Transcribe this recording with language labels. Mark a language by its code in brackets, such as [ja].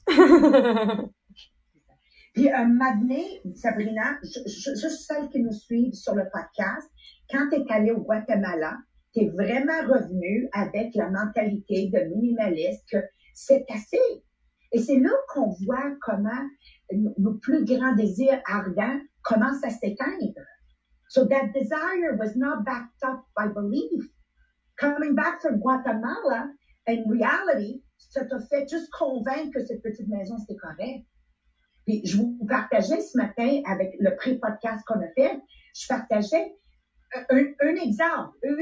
[fr] Puis, Madeleine, Sabrina, juste celle qui nous suit sur le podcast, quand t'es allée au Guatemala, t'es vraiment revenue avec la mentalité de minimaliste que c'est assez. Et c'est là qu'on voit comment nos plus grands désirs ardents commencent à s'éteindre. [en] So that desire was not backed up by belief. Coming back from Guatemala, in reality, [fr] ça t'a fait juste convaincre que cette petite maison, c'était correct. Puis je vous partageais ce matin avec le pré-podcast qu'on a fait, je partageais un exemple.